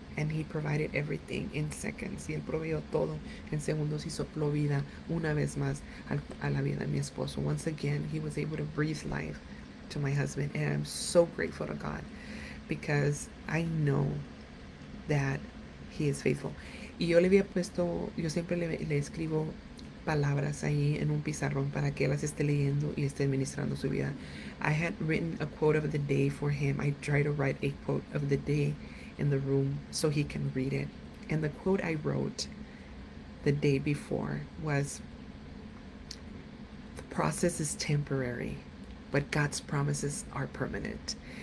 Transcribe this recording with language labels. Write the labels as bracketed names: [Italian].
[English] And he provided everything in seconds. [Spanish] Y él proveyó todo en segundos y sopló vida una vez más a la vida de mi esposo. [English] Once again, he was able to breathe life to my husband. And I'm so grateful to God because I know that he is faithful. [Spanish] Y yo le había puesto, yo siempre le escribo palabras ahí en un pizarrón para que él las esté leyendo y esté administrando su vida. [English] I had written a quote of the day for him. I tried to write a quote of the day in the room so he can read it. And the quote I wrote the day before was, "The process is temporary, but God's promises are permanent."